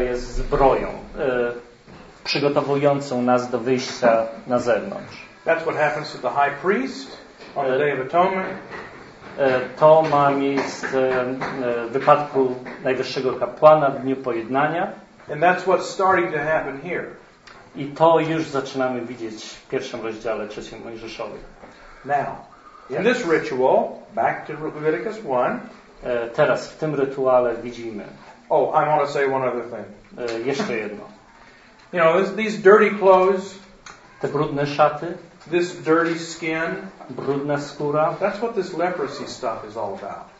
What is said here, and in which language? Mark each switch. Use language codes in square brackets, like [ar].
[pl] jest zbroją, przygotowującą nas do wyjścia na zewnątrz. [en] That's what happens to the high priest on the Day of Atonement. [pl] To ma miejsce w wypadku najwyższego kapłana w dniu pojednania. [en] And that's what's starting to happen here. [pl] I to już zaczynamy widzieć w pierwszym rozdziale trzeciej Mojżeszowej. [en] Now, in this ritual, back to Leviticus 1. [pl] Teraz w tym rytuale widzimy. [en] Oh, I want to say one other thing. [pl] Jeszcze jedno. [en] You know, these dirty clothes. [pl] Te brudne szaty. [en] This dirty skin. [pl] Brudna skóra. [en] That's what this leprosy stuff is all about.